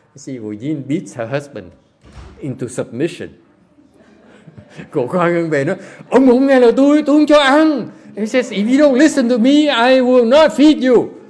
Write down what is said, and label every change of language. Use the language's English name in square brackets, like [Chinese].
[English] She will then beat her husband into submission. [Vietnamese] Cô Quả Ngân về nói, "Ông không nghe lời tôi không cho ăn." [English] He says, "If you don't listen to me, I will not feed you."